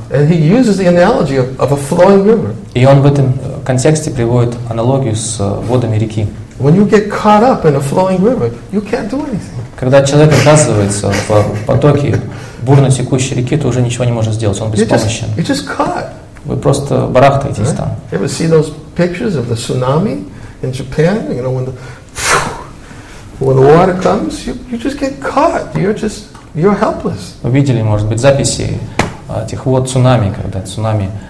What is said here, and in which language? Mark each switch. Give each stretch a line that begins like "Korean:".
English: And he uses the analogy of a flowing river.
Russian: И он в этом контексте приводит аналогию с водами реки.
English: When you get caught up in a flowing river, you can't do anything.
Russian: Когда человек оказывается в потоке бурно текущей реки, то уже ничего не может сделать, он беспомощен.
English: You're just caught.
Russian: Вы просто барахтаетесь
English: right?
Russian: там.
English: You ever see those pictures of the tsunami in Japan? You know, when the water comes, you just get caught. You're helpless.
Russian: Вы видели, может быть, записи этих вод цунами, когда цунами